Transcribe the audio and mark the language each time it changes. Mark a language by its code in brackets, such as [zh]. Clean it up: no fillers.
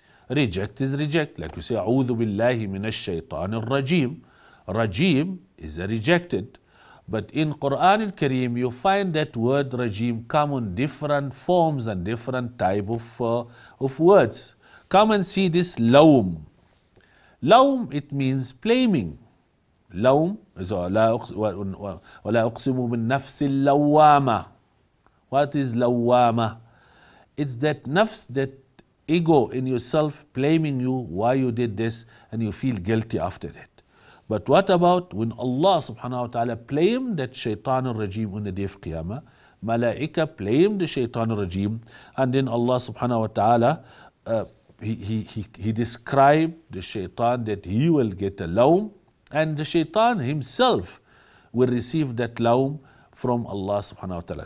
[en] Reject is reject, like you say, A'udhu billahi minash shaytanir rajim. Rajim is a rejected. But in Quran al-Kareem, you find that word rajim come in different forms and different type of words. Come and see this laum. Laum, it means blaming. Laum is [ar] وَلَا أُقْسِمُ بِالنَّفْسِ اللَّوَّامَةِ. [en] What is lawama? It's that nafs, that ego in yourself blaming you why you did this, and you feel guilty after that. But what about when Allah subhanahu wa ta'ala blamed that shaitan al-rajim on the day of Qiyamah? Malaika blamed the shaitan al-rajim, and then Allah subhanahu wa ta'ala he described the shaitan that he will get a laum, and the shaitan himself will receive that laum from Allah subhanahu wa ta'ala.